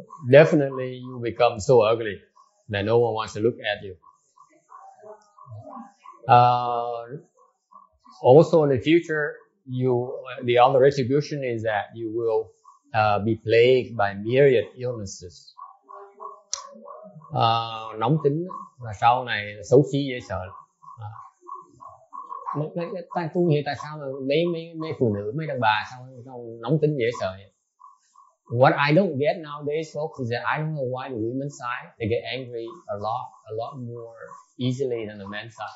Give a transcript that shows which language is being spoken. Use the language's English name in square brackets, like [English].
[English] Definitely you become so ugly that no one wants to look at you. Also in the future, the other retribution is that you will be plagued by myriad illnesses. [Vietnamese] Nóng tính là sau này xấu xí dễ sợ. Tại tôi nghĩ tại sao mà mấy phụ nữ, mấy đàn bà sao nóng tính dễ sợ vậy? [English] What I don't get nowadays, folks, is that I don't know why the women's side, they get angry a lot more easily than the men's side.